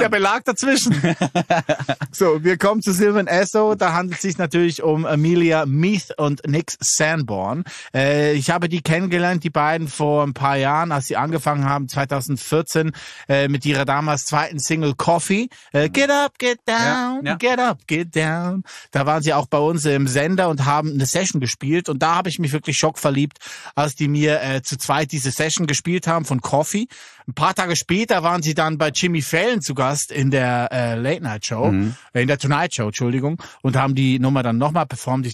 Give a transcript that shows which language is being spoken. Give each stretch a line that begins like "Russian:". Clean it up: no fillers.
German: Der Belag dazwischen. So, wir kommen zu Sylvan Esso. Da handelt es sich natürlich um Amelia Meath und Nick Sanborn. Ich habe die kennengelernt, die beiden, vor ein paar Jahren, als sie angefangen haben, 2014, mit ihrer damals zweiten Single Coffee.
English: Get up, get down, get up, get down.
German: Da waren sie auch bei uns im Sender und haben eine Session gespielt. Und da habe ich mich wirklich schockverliebt, als die mir zu zweit diese Session gespielt haben von Coffee. Ein paar Tage später waren sie dann bei Jimmy Fallon zu Gast in der Late-Night-Show, in der Tonight-Show, Entschuldigung, und haben die Nummer dann nochmal performt.